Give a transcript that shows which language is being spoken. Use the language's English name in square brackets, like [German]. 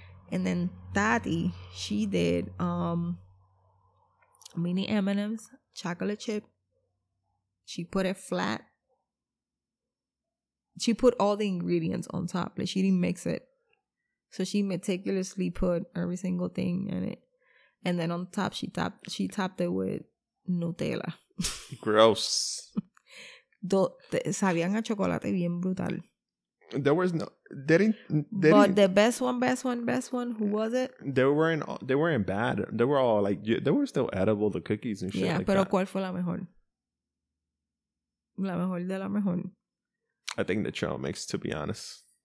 [English] And then Tati, she did mini M&M's, chocolate chip. She put it flat. She put all the ingredients on top. Like she didn't mix it. So she meticulously put every single thing in it. And then on top, she topped it with Nutella. Gross. [Spanish] Sabían a chocolate bien brutal. [English] There was no... They didn't, but the best one, who was it? They weren't bad. They were all like... They were still edible, the cookies and shit like that. Yeah, [Spanish] pero ¿cuál fue la mejor? La mejor de la mejor. [English] I think the trail mix, to be honest.